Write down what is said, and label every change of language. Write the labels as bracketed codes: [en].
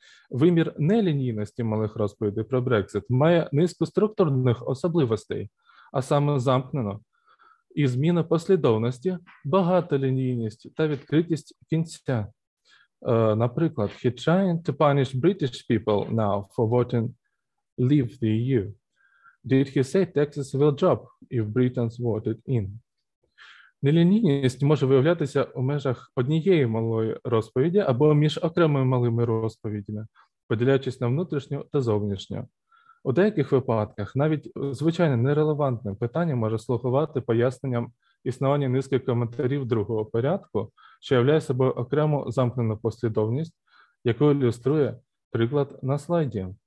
[uk] Вимір нелінійності малих розповідей про Брексіт має низку структурних особливостей, а саме замкнено, і зміна послідовності, багатолінійність та відкритість кінця. Наприклад, [en] he trying to punish British people now for voting leave the EU. Did he say taxes will drop if Britons voted in? [uk] Нелінійність може виявлятися у межах однієї малої розповіді або між окремими малими розповідями, поділяючись на внутрішню та зовнішню. У деяких випадках навіть звичайно нерелевантне питання може слугувати поясненням існування низки коментарів другого порядку, що являє собою окрему замкнену послідовність, яку ілюструє приклад на слайді.